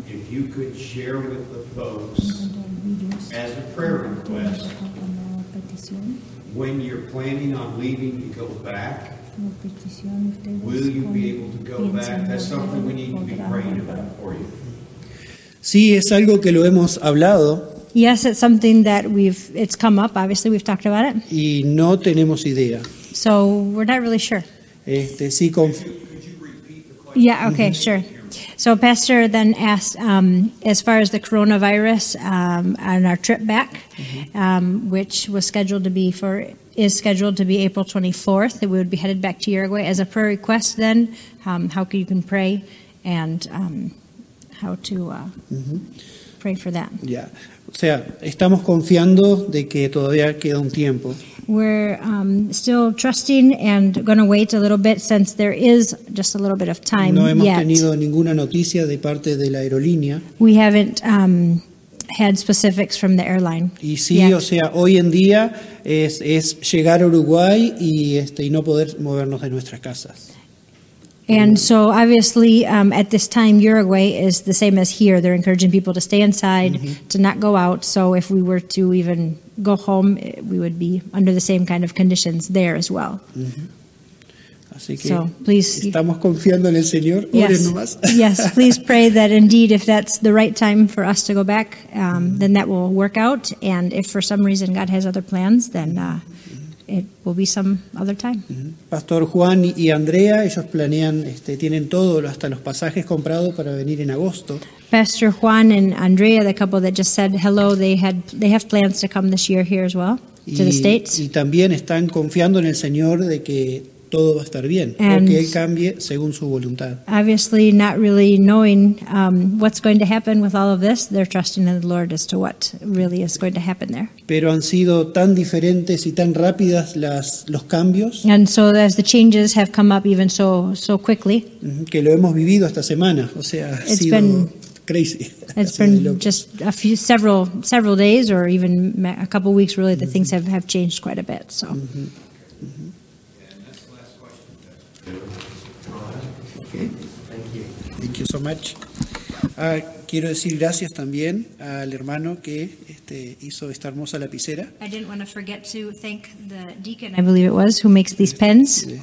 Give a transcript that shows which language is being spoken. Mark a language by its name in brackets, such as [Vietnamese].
[English] You could share with the folks as a prayer request when you're planning on leaving to go back. Will you be able to go back? That's something we need to be praying about for you. [Spanish] Sí, es algo que lo hemos hablado. [English] Yes, it's something that it's come up. Obviously, we've talked about it. [Spanish] Y no tenemos idea. [English] So we're not really sure. [Spanish] Sí, [English] could you repeat the question? Yeah. Okay. Sure. So Pastor then asked, as far as the coronavirus on our trip back, which was scheduled to be April 24th, that we would be headed back to Uruguay, as a prayer request then, how you can pray and how to pray for that. Yeah. [Spanish] O sea, estamos confiando de que todavía queda un tiempo. [English] We're still trusting and going to wait a little bit since there is just a little bit of time. [Spanish] No hemos [English] yet. [Spanish] Tenido ninguna noticia de parte de la aerolínea. [English] We haven't had specifics from the airline. [Spanish] Y sí, yet. O sea, hoy en día es llegar a Uruguay y no poder movernos de nuestras casas. [English] And so, obviously, at this time, Uruguay is the same as here. They're encouraging people to stay inside, to not go out. So if we were to even go home, we would be under the same kind of conditions there as well. [Spanish] Así que [English] so, please. [Spanish] Estamos confiando en el Señor. [English] Yes. Yes, please pray that indeed, if that's the right time for us to go back, then that will work out. And if for some reason God has other plans, then... it will be some other time. [Spanish] Pastor Juan y Andrea, ellos planean, tienen todo, hasta los pasajes comprados para venir en agosto. [English] Pastor Juan and Andrea, the couple that just said hello, they have plans to come this year here as well to the States. [Spanish] Y también están confiando en el Señor de que todo va a estar bien, [English] and [Spanish] o que él cambie según su voluntad. [English] Obviously, not really knowing what's going to happen with all of this, they're trusting in the Lord as to what really is going to happen there. [Spanish] Pero han sido tan diferentes y tan rápidas los cambios. [English] And so as the changes have come up even so quickly. [Spanish] Que lo hemos vivido esta semana, o sea, ha sido crazy. [English] It's been just a few several days or even a couple of weeks really that things have changed quite a bit. So. Thank you so much. [Spanish] Quiero decir gracias también al hermano que hizo esta hermosa lapicera. [English] I didn't want to forget to thank the deacon, I believe it was, who makes these pens.